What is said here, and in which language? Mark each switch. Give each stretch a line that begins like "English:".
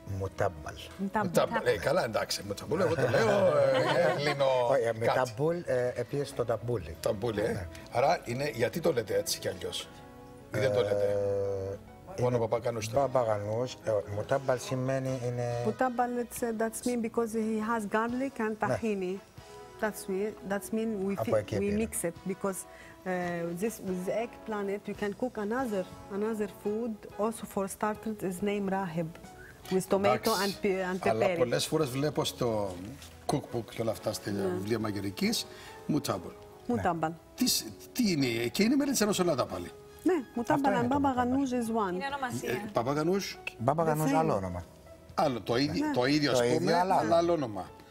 Greek: Μουτάμπαλ. Μουτάμπαλ. Καλά, εντάξει. Μουτάμπαλ, εγώ το λέω. Ελληνό. Με ταμπούλ, επίση το ταμπούλι. Ταμπούλι, άρα είναι, γιατί το λέτε έτσι κι αλλιώ? Ή δεν το λέτε? Μόνο παπαγανού. Παπαγανού. Μουτάμπαλ σημαίνει είναι.
English: Μουτάμπαλ, that's mean because he has garlic and tahini. That's mean we mix it because. This with the eggplant, you can cook another food. Also for starters, is named rahib, with tomato and pepper.
Greek: Αλλά πολλές φορές βλέπω στο cookbook και όλα αυτά στη βιβλία μαγειρικής μουτάμπαλ. Μουτάμπαλ. Τι είναι? Και είναι μελιτζάνο σαλάτα πάλι? Ναι, μουτάμπαλ.
English: Μπάμπα γανούζ is one.
Greek: Μπάμπα γανούζ. Μπάμπα γανούζ άλλο όνομα. Άλλο το ίδιο. Το ίδιο σπούμε, αλλά άλλο όνομα.